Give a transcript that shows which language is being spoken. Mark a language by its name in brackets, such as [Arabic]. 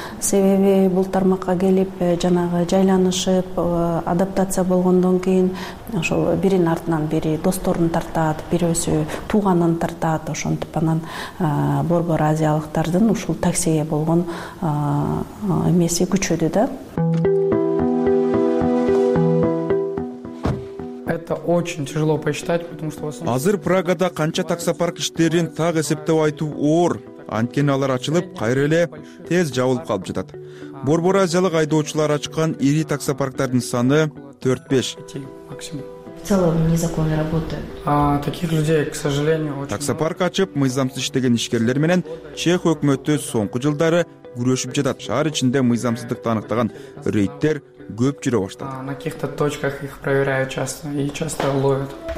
[Kyrgyz] Себеби бул тармакка келип жанагы жайланышып, адаптация болгондон кийин ошол бирин артынан бири досторун тартат, бирөөсү тууганын тартат, ошентип анан борбор азиялыктардын ушул таксиге болгон эмеси күчөдү да. [Russian] Очень тяжело посчитать, потому что в основном [Kyrgyz] азыр Прагада канча таксопарк иштерин так эсептеп айтуу оор. Анткени алар ачылып, кайра эле тез жабылып калып жатат. Борбор азиялык айдоочулар ачкан ири таксопарктардын саны 4-5. [Russian] В целом незаконно работают. Таких людей, к сожалению, очень. [Kyrgyz] Таксопарк ачып, мыйзамсыз иштеген ишкерлер менен чех өкмөтү соңку жылдары күрөшүп жатат. Шаар ичинде мыйзамсыздыкты аныктаган рейдтер көп жүрө баштады. [Russian] На каких-то точках их проверяют часто и часто ловят.